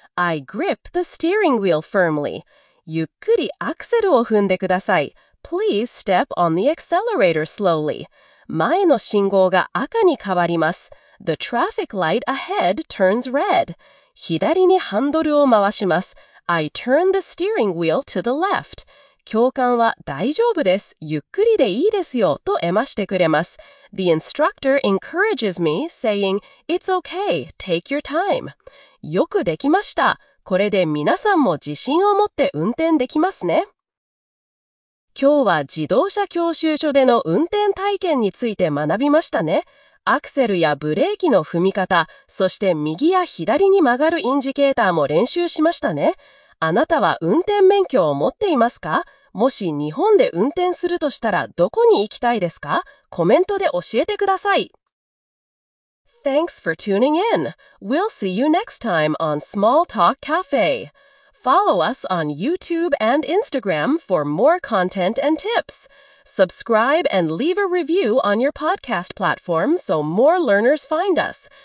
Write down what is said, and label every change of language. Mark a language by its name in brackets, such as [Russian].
[English] I grip the steering wheel firmly. [Japanese] ゆっくりアクセルを踏んでください。 [English] Please step on the accelerator slowly. [Japanese] 前の信号が赤に変わります。 [English] The traffic light ahead turns red. [Japanese] 左にハンドルを回します。 [English] I turn the steering wheel to the left. [Japanese] 教官は、大丈夫です、ゆっくりでいいですよとえましてくれます。 [English] The instructor encourages me, saying, It's okay, take your time. [Japanese] よくできました。これで皆さんも自信を持って運転できますね。今日は自動車教習所での運転体験について学びましたね。アクセルやブレーキの踏み方、そして右や左に曲がるインジケーターも練習しましたね。あなたは運転免許を持っていますか？もし日本で運転するとしたらどこに行きたいですか？コメントで教えてください。 [English] Thanks for tuning in. We'll see you next time on Small Talk Cafe. Follow us on YouTube and Instagram for more content and tips. Subscribe and leave a review on your podcast platform so more learners find us.